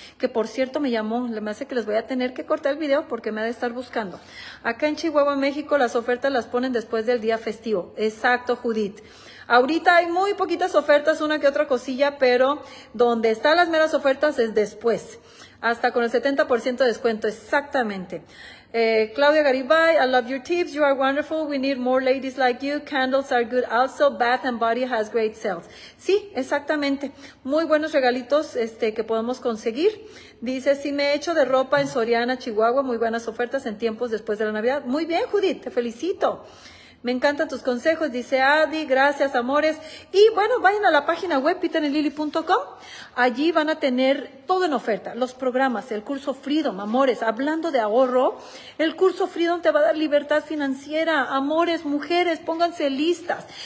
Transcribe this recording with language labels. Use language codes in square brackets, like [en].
[es] Que por cierto me llamó, me hace que les voy a tener que cortar el video porque me ha de estar buscando. Acá en Chihuahua, México, las ofertas las ponen después del día festivo. Exacto, Judith. Ahorita hay muy poquitas ofertas, una que otra cosilla, pero donde están las meras ofertas es después. Hasta con el 70% de descuento, exactamente. [en] Claudia Garibay, I love your tips, you are wonderful, we need more ladies like you, candles are good also, Bath and Body has great sales. [es] Sí, exactamente, muy buenos regalitos que podemos conseguir. Dice, si me echo de ropa en Soriana, Chihuahua, muy buenas ofertas en tiempos después de la Navidad. Muy bien, Judith, te felicito. Me encantan tus consejos, dice Adi, gracias amores. Y bueno, vayan a la página web peterandlily.com, allí van a tener todo en oferta, los programas, el curso Freedom, amores, hablando de ahorro, el curso Freedom te va a dar libertad financiera, amores, mujeres, pónganse listas.